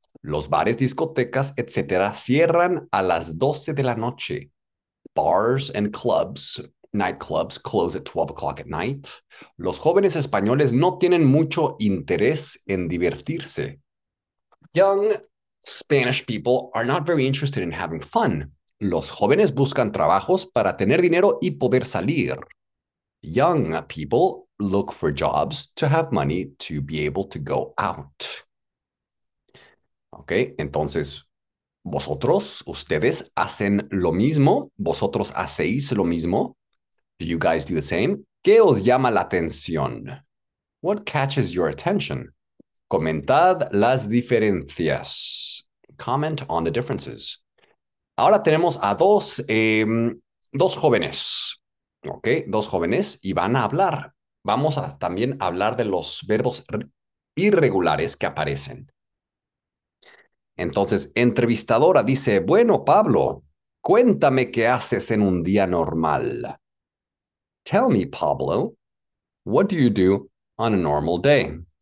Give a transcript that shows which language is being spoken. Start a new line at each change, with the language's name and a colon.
Spanish: Los bares, discotecas, etcétera, cierran a las 12 de la noche.
English: Bars and clubs, nightclubs, close at 12 o'clock at night.
Spanish: Los jóvenes españoles no tienen mucho interés en divertirse.
English: Spanish people are not very interested in having fun.
Spanish: Los jóvenes buscan trabajos para tener dinero y poder salir.
English: Young people look for jobs to have money to be able to go out.
Spanish: Ok, entonces, vosotros, ustedes hacen lo mismo, vosotros hacéis lo mismo.
English: Do you guys do the same?
Spanish: ¿Qué os llama la atención?
English: What catches your attention?
Spanish: Comentad las diferencias.
English: Comment on the differences.
Spanish: Ahora tenemos a dos jóvenes, ¿ok? Dos jóvenes y van a hablar. Vamos a también hablar de los verbos irregulares que aparecen. Entonces, entrevistadora dice, bueno, Pablo, cuéntame qué haces en un día normal.
English: Tell me, Pablo, what do you do on a normal day?